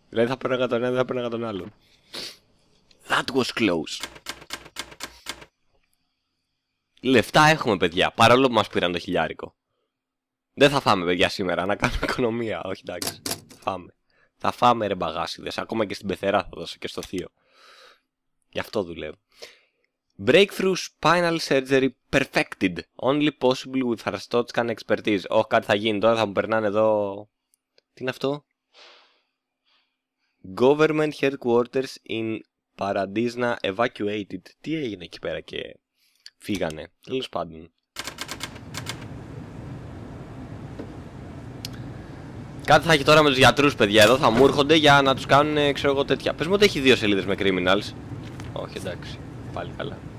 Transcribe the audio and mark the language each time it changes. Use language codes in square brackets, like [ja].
[el] Δηλαδή θα παίρνω τον ένα, δεν θα παίρνω τον άλλο. [en] That was close. [el] Λεφτά έχουμε, παιδιά, παρόλο που μας πήραν το χιλιάρικο. Δεν θα φάμε, παιδιά, σήμερα, να κάνουμε οικονομία. Όχι, εντάξει, φάμε. Θα φάμε, ρε μπαγάσιδες, ακόμα και στην πεθερά θα δώσω και στο θείο. Γι' αυτό δουλεύω. [en] Breakthrough spinal surgery perfected. Only possible with Aristotle's expertise. [el] Oh, κάτι θα γίνει τώρα, θα μου περνάνε εδώ. Τι είναι αυτό? [en] Government headquarters in Paradisna evacuated. [el] Τι έγινε εκεί πέρα και φύγανε. Τέλος πάντων. Κάτι θα έχει τώρα με τους γιατρούς, παιδιά. Εδώ θα μου έρχονται για να τους κάνουν, ξέρω εγώ, τέτοια. Πες μου ότι έχει δύο σελίδες με criminals. Όχι, εντάξει. Πάλι καλά.